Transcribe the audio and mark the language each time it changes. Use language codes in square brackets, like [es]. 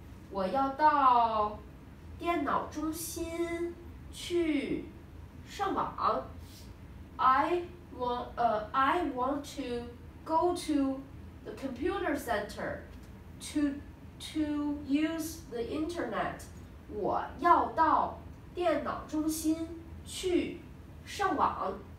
[zh] 我要到电脑中心去上网。 [en] I want to go to the computer center to use the internet. [zh] 我要到电脑中心去上网。